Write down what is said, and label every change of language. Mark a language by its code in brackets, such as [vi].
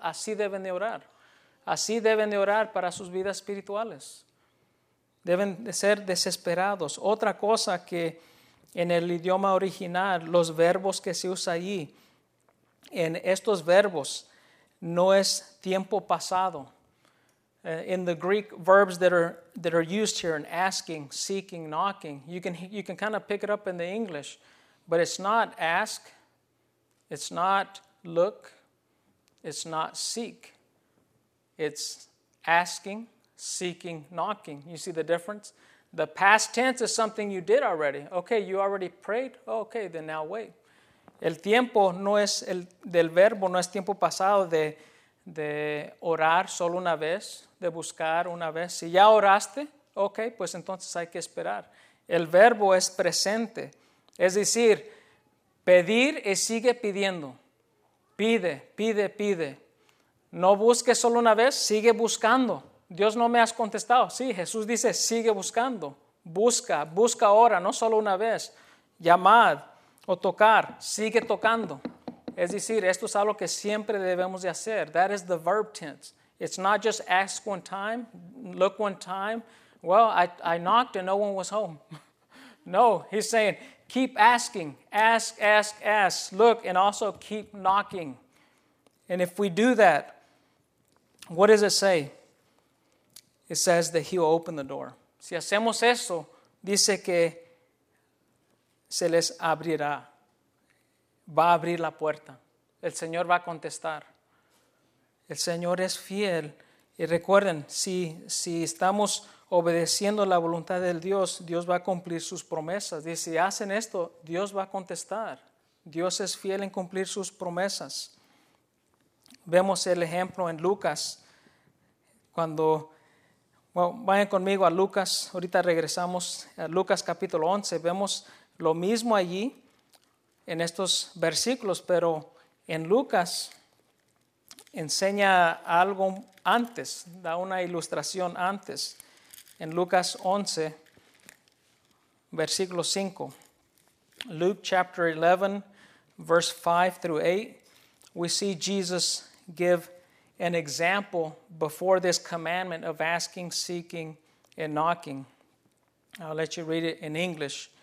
[es] Así deben de orar. Así deben de orar para sus vidas espirituales. Deben de ser desesperados. Otra cosa que en el idioma original, los verbos que se usa ahí, en estos verbos no es tiempo pasado. [en] In the Greek verbs that are used here in asking, seeking, knocking, you can kind of pick it up in the English, but it's not ask, it's not look, it's not seek. It's asking, seeking, knocking. You see the difference? The past tense is something you did already. Okay, you already prayed. Oh, okay, then now wait. [es] El tiempo no es el del verbo, no es tiempo pasado de orar solo una vez, de buscar una vez. Si ya oraste, ok, pues entonces hay que esperar. El verbo es presente. Es decir, pedir y sigue pidiendo. Pide, pide, pide. No busques solo una vez, sigue buscando. Dios, no me has contestado. Sí, Jesús dice, sigue buscando. Busca, busca ahora, no solo una vez. Llamad o tocar, sigue tocando. Es decir, esto es algo que siempre debemos de hacer. [en] That is the verb tense. It's not just ask one time, look one time. Well, I knocked and no one was home. No, he's saying, keep asking, ask, ask, ask, look, and also keep knocking. And if we do that, what does it say? It says that he'll open the door. [es] Si hacemos eso, dice que se les abrirá. Va a abrir la puerta. El Señor va a contestar. El Señor es fiel. Y recuerden, si estamos obedeciendo la voluntad de Dios, Dios va a cumplir sus promesas. Dice, si hacen esto, Dios va a contestar. Dios es fiel en cumplir sus promesas. Vemos el ejemplo en Lucas. Cuando, bueno, vayan conmigo a Lucas. Ahorita regresamos a Lucas capítulo 11. Vemos lo mismo allí en estos versículos, pero en Lucas enseña algo antes, da una ilustración antes. En Lucas 11, versículo 5. [en] Luke chapter 11, verse 5 through 8. We see Jesus give an example before this commandment of asking, seeking, and knocking. I'll let you read it in English.